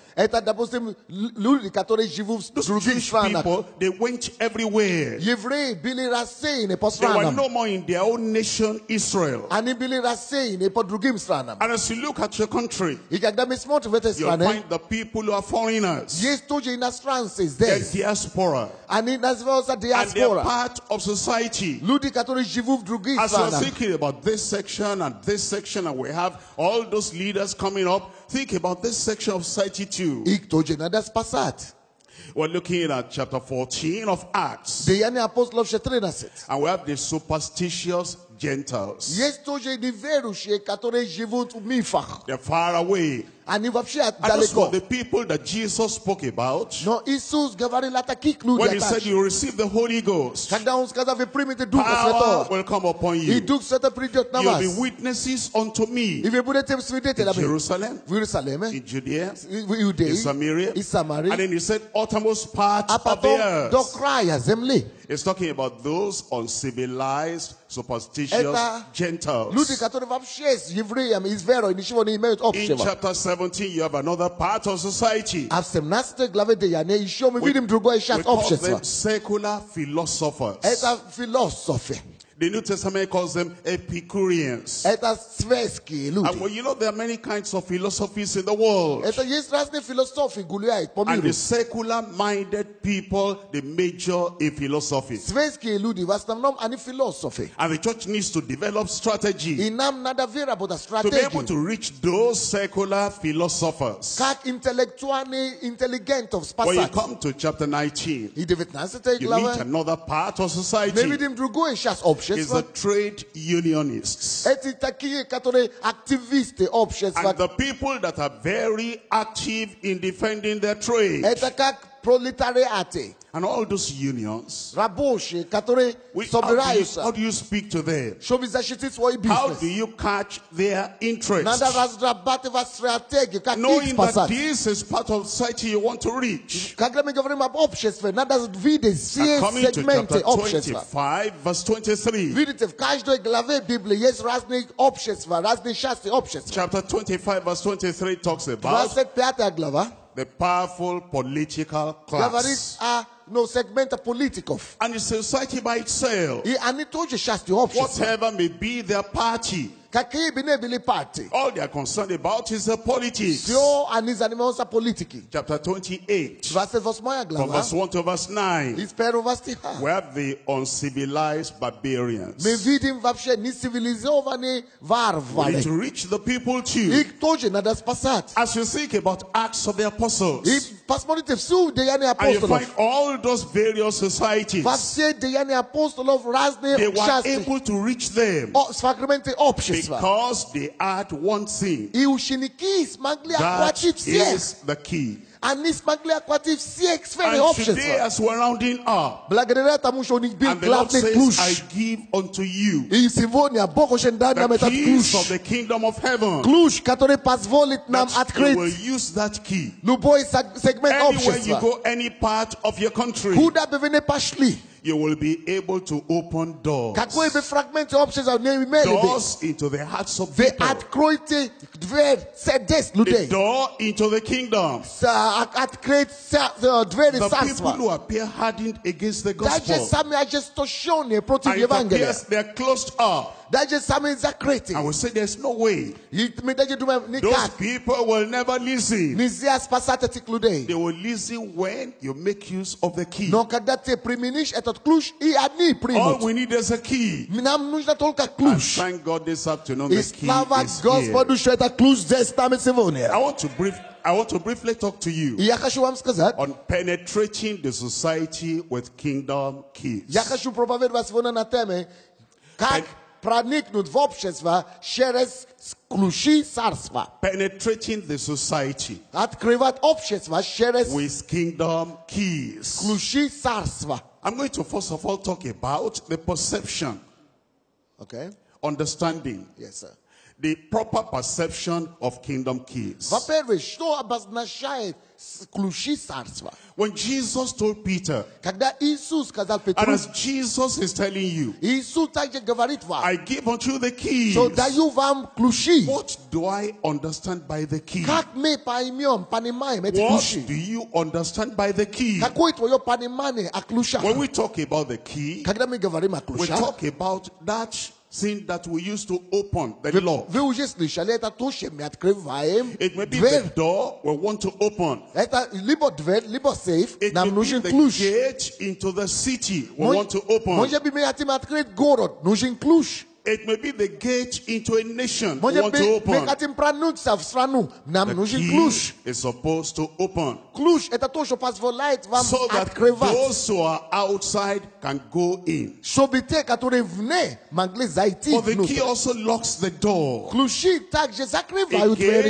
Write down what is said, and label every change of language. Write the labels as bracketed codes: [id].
[ru] Это, допустим, люди, которые живут в других странах. [en] They went everywhere. [ru] Евреи были рассеяны по странам. [en] They were no more in their own nation, Israel. [ru] Они были рассеяны по другим странам. [en] And as you look at your country, [ru] и когда мы смотрим в этой стране, [en] you'll find the people who are foreigners. [ru] Есть тоже иностранцы здесь. [en] They're diaspora. [ru] Они называются диаспора. [en] And they're part of society. [ru] Люди, которые живут в других странах. [en] As you're thinking about this section, and we have all those leaders coming up, think about this section of society too. We're looking at chapter 14 of Acts. The young apostle of Shetrina said. And we have the superstitious Gentiles. [ru] Yes, тоже не верующие, которые живут в мифах. [en] They're far away. [ru] Они вообще далеко. [en] The people that Jesus spoke about. [ru] Но Иисус говорил о таких людях. [en] When he said you receive the Holy Ghost. [ru] Когда он сказал вы примете Духа Святого. [en] Power will come upon you. [ru] И Дух Святой придет на вас. [en] You'll be witnesses unto me. [ru] И вы будете свидетелями. [en] In Jerusalem. [ru] В Иерусалиме. [en] In Judea. [ru] В Иудее. [en] In Samaria. [ru] И Самарии. [en] And then he said uttermost part of the earth. [ru] До края земли. [en] He's talking about those uncivilized, superstitious Gentiles. [ru] Люди, которые вообще с евреями, из верой, ничего не имеют общего. [en] In chapter 17, you have another part of society. [ru] А в 17 главе Деяния еще мы видим другое часть общества. [en] We call them secular philosophers. [ru] Это философы. [en] The New Testament calls them Epicureans. [ru] Это светские люди. [en] And well, you know, there are many kinds of philosophies in the world. [ru] Это есть разные философии гуляют по миру. [en] And the secular-minded people, they major in philosophy. [ru] Светские люди в основном они философы. [en] And the church needs to develop strategy. [ru] И нам надо вера по стратегии. [en] To be able to reach those secular philosophers. [ru] Как интеллектуальные, интеллигент of спасать. [en] When you come to chapter 19, [ru] и 19 [en] you meet another part of society. [ru] Мы видим другое сейчас общество. [en] Is the trade unionists. [ru] Эти такие, которые активисты общества. [en] And the people that are very active in defending their trade. [ru] Это как пролетариаты. [en] And all those unions. [ru] Рабочие, которые собираются. [en] How do you speak to them? [ru] Чтобы защитить свой бизнес. [en] How do you catch their interest? [ru] Надо разрабатывать стратегию, как их спасать. [en] Knowing that this is part of society you want to reach. [ru] Когда мы говорим об обществе, надо видеть все сегменты общества. [en] 25, verse 23. [ru] Видите, в каждой главе Библии есть разные общества, разные части общества. [en] Chapter 25, verse 23 talks about. [ru] 25 глава. [en] The powerful political class. No segment of political. And it's a society by itself. And it also has the options. Whatever may be their party. [ru] Какие бы не были партии. [en] All they are concerned about is the politics. [ru] Все они занимаются политикой. [en] Chapter 28. Verse 8 [ru] глава. [en] From verse 1 to verse 9. [ru] Из первого стиха. [en] We have the uncivilized barbarians. [ru] Мы видим вообще нецивилизованные варвары. [en] We need to reach the people too. [ru] Их тоже надо спасать. [en] As you think about Acts of the Apostles. [ru] посмотрите всю деяние апостолов. [en] And you find all those various societies. [ru] Во все деяния апостолов разные части. [en] They were able to reach them. [ru] Сфрагменты общества. [en] Because they had one thing. [ru] И ученики смогли охватить всех. [en] That is the key. [ru] Они смогли охватить все сферы общества. [en] And today, as we're rounding up, [ru] благодаря тому, что у них был главный ключ, [en] I give unto you, [ru] и сегодня Бог уже дал нам этот ключ, [en] of the kingdom of heaven, [ru] ключ, который позволит нам открыть [en] you will use that key, [ru] любой сегмент [en] anywhere [ru] общества. [en] You go, any part of your country, [ru] куда бы вы ни пошли, [en] you will be able to open doors. [ru] Какой бы фрагмент общества вы имели бы? [en] Doors into the hearts of people. [ru] Вы откроете дверь сердец людей. [en] The door into the kingdom. [ru] Открыть дверь царства. [en] The people who appear hardened against the gospel. [ru] Даже сами ожесточенные против Евангелия. [en] And they are closed up. [ru] Даже сами закрыты. [en] I will say there's no way. Those people will never listen. [ru] Нельзя спасать этих людей. [en] They will listen when you make use of the key. [ru] Но когда ты применишь этот ключ, и одни примут. [en] All we need is a key. [ru] Нам нужно только ключ. [en] And thank God this afternoon [ru] и [en] the key is [ru] Господу, [en] here. [ru] Это ключ здесь, там и сегодня. [en] I want to briefly talk to you. [ru] Я хочу вам сказать. [en] On penetrating the society with kingdom keys. [ru] Я хочу проповедовать сегодня на теме, как проникнуть в общество через ключи царства. [en] Penetrating the society. [ru] Открывать общество через [en] with kingdom keys. [ru] Ключи царства. [en] I'm going to first of all talk about the perception. Okay. Understanding. Yes, sir. The proper perception of kingdom keys. [ru] Во-первых, что обозначает ключи царства? [en] When Jesus told Peter. [ru] Когда Иисус сказал Петру. [en] And as Jesus is telling you. [ru] Иисус также говорит вам. [en] I give unto you the keys. [ru] So даю вам ключи. [en] What do I understand by the key? [ru] Как мы поймем, понимаем эти ключи? [en] What do you understand by the key? [ru] Какое твое понимание о ключах? [en] When we talk about the key. [ru] Когда мы говорим о ключах. [en] We talk about that thing that we used to open, the lock. [ru] Вы уже слышали, это то, что мы открываем. [en] It may be [ru] дверь. [en] The door we want to open. [ru] Это либо дверь, либо сейф. Нам нужен ключ. [en] It may be the gate into the city we want to open. [ru] Может быть, мы хотим открыть город. Нужен ключ. [en] It may be the gate into a nation we want to open. [ru] Мы хотим пронуться в страну. Нам нужен ключ. [en] The key is supposed to open. [ru] Ключ, это то, что позволяет вам so открывать. [en] So that those who are outside can go in. [ru] Чтобы те, которые вне, могли зайти внутрь. [en] But the key also locks the door. [ru] Ключи также закрывают двери.